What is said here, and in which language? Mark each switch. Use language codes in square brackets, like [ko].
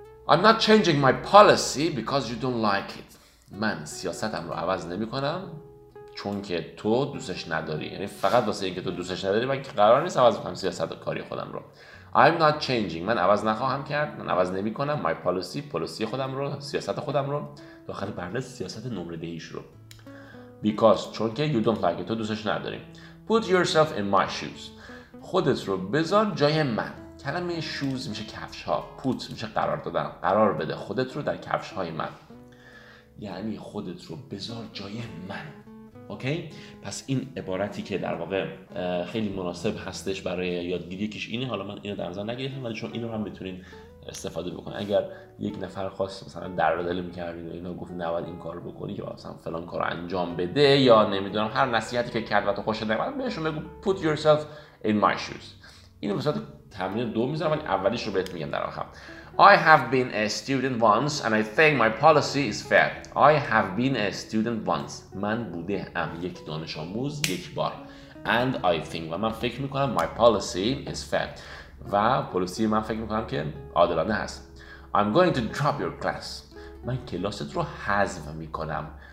[en] I'm not changing my policy because you don't like it. [fa] من سیاستم رو عوض نمی کنم چون که تو دوستش نداری. یعنی فقط واسه اینکه تو دوستش نداری من قرار نیست عوض کنم سیاست و کاری خودم رو. [en] I'm not changing. [fa] من عوض نخواهم کرد. من عوض نمی کنم [en] my policy، [fa] پلیسی خودم رو، سیاست خودم رو، داخل برنامه سیاست نمره دهیش رو. [en] Because [fa] چون که [en] you don't like it، [fa] تو دوستش نداری. [en] Put yourself in my shoes. [fa] خودت رو بذار جای من. کلمه shoes میشه کفش ها. Put میشه قرار دادن. قرار بده خودت رو در کفش های من. یعنی خودت رو بذار جای من. اوکی؟ پس این عبارتی که در واقع خیلی مناسب هستش برای یادگیری کش اینه. حالا من اینو در نظر نگرفتم ولی چون اینو هم میتونین استفاده بکنین. اگر یک نفر خواست مثلا دردل می‌کردین و اینا گفت نباید این کارو بکنی یا مثلا فلان کارو انجام بده یا نمیدونم هر نصیحتی که کرد و تو خوشت نیومد بهشون بگو [en] put yourself in my shoes. [fa] اینو به صورت تمرین دو می‌ذارم ولی اولیش رو بهت میگم در آخر. [en] I have been a student once and I think my policy is fair. I have been a student once. [fa] من بوده ام یک دانش آموز یک بار. [en] And I think. [fa] و من فکر میکنم [en] my policy is fair. [fa] و پلیسی من فکر میکنم که عادلانه هست. [en] I'm going to drop your class. [fa] من کلاست رو حذف میکنم.